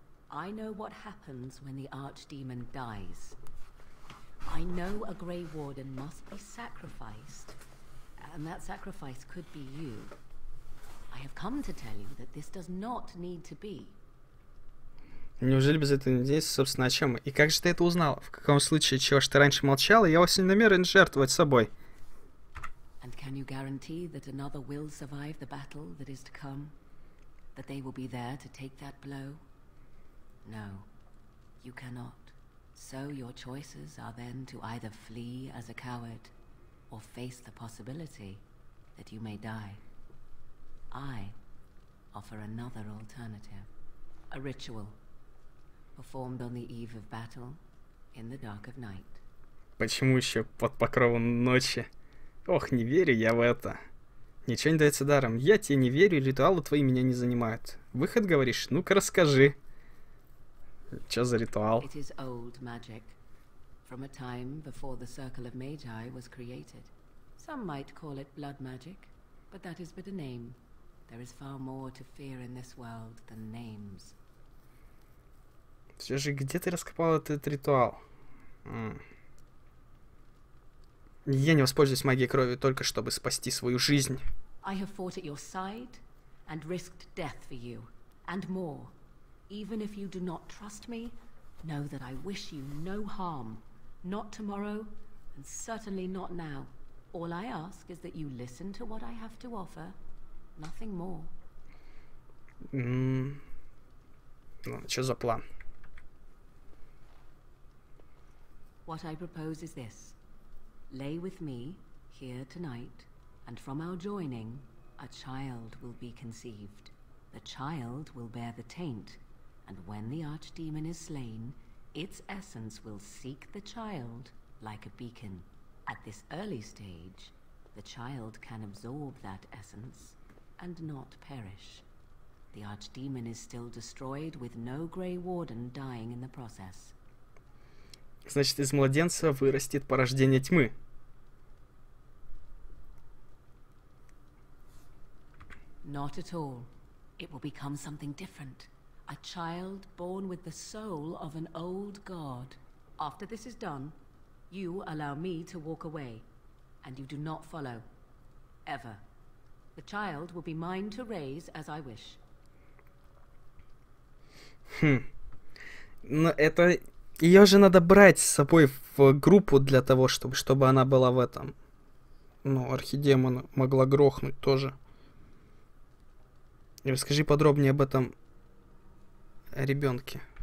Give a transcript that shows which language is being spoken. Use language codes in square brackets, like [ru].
[en] I know what happens when the Archdemon dies. I know a Grey Warden must be sacrificed, and that sacrifice could be you. I have come to tell you that this does not need to be. [ru] Неужели без этого не здесь, собственно, о чем? И как же ты это узнал? В каком случае, чего ж ты раньше молчал, я вовсе не намерен жертвовать собой. [en] And can you guarantee that another will survive the battle that is to come? That they will be there to take that blow? No, you cannot. So your choices are then to either flee as a coward, or face the possibility that you may die. I offer another alternative. A ritual, performed on the eve of battle, in the dark of night. [ru] Почему еще под покровом ночи? Ох, не верю я в это. Ничего не дается даром. Я тебе не верю, и ритуалы твои меня не занимают. Выход, говоришь? Ну-ка расскажи. Чё за ритуал? [en] It is old magic, from a time before the Circle of Magi was created. Some might call it blood magic, but that is but a name. There is far more to fear in this world than names. [ru] Всё же, где ты раскопал этот ритуал? Я не воспользуюсь магией крови только чтобы спасти свою жизнь. [en] I have fought at your side and risked death for you, and more. Even if you do not trust me, know that I wish you no harm. Not tomorrow, and certainly not now. All I ask is that you listen to what I have to offer. Nothing more. [ru] Ну, что за план? [en] What I propose is this. Lay with me, here tonight, and from our joining, a child will be conceived. The child will bear the taint. And when the Archdemon is slain, its essence will seek the child like a beacon. At this early stage, the child can absorb that essence and not perish. The Archdemon is still destroyed with no Grey Warden dying in the process. [ru] Значит, из младенца вырастет порождение тьмы. [en] Not at all. It will become something different. A child born with the soul of an old god. After this is done, you allow me to walk away, and you do not follow. Ever. The child will be mine to raise as I wish. [ru] Но это... Ее же надо брать с собой в группу для того, чтобы она была в этом. Ну, архидемона могла грохнуть тоже. И расскажи подробнее об этом ребенке.